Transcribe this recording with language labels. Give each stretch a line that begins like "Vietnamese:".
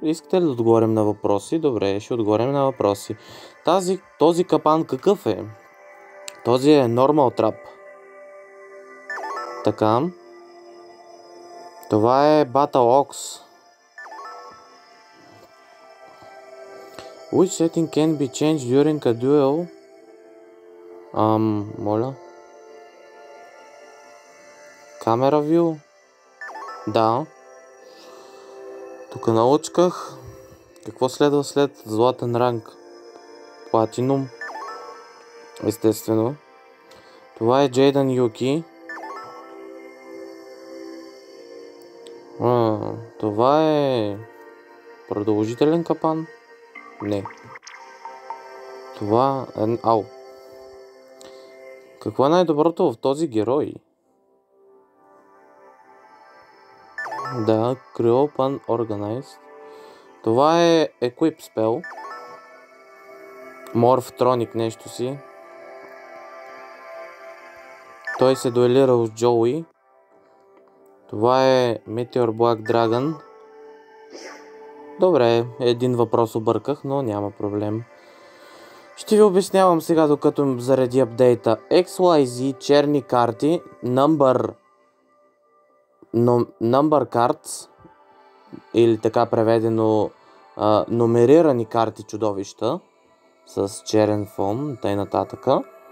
Bulgarian: Искате ли да отговорим на въпроси? Добре, ще отговорим на въпроси. Този капан какъв е? Този е Normal Trap. Така. Това е Battle Ox.
English: Which setting can be changed during a duel?
Bulgarian: Моля. Камера вю? Да. Тук научках. Какво следва след златен ранг? Платинум. Естествено. Това е Джейдън Юки. Това е продължителен капан? Не. Това е... Ау. Какво е най-доброто в този герой? Да, Cryopan Organized. Това е Equip Spell. Morphtronic нещо си. Той се дуелира с Джоуи. Това е Meteor Black Dragon. Добре, един въпрос обърках, но няма проблем. Ще ви обяснявам сега, докато зареди апдейта. XYZ черни карти, number cards, или така преведено, номерирани карти чудовища с черен фон, тъй нататъка.